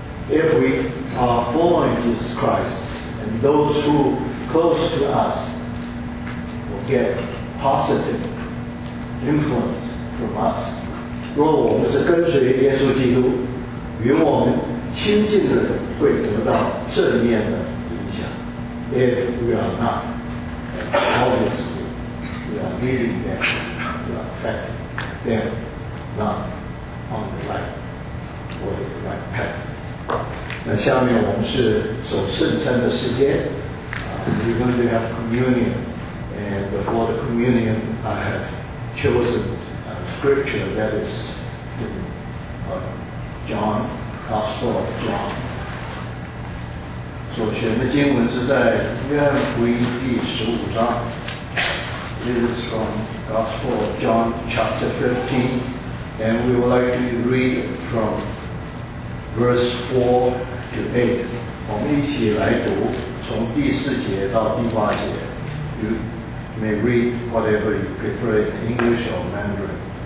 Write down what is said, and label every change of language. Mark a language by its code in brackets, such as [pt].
[en] If we are following Jesus Christ, and those who close to us will get positive influence from us. [zh] 若我们是跟随耶稣基督，与我们亲近的人会得到正面的影响。 [en] If we are not, obviously, we are leading them, we are affecting them, not on the right or the right path. [zh] 那下面我们是守圣餐的时间。 [en] We're going to have communion, and before the communion, I have chosen. Scripture that is in John, Gospel of John. [zh] 所选的经文是在约翰福音第十五章。 [en] It is from Gospel of John, chapter 15, and we would like to read from verse 4 to 8. [zh] 我们一起来读，从第四节到第八节。 [en] You may read whatever you prefer in English or Mandarin.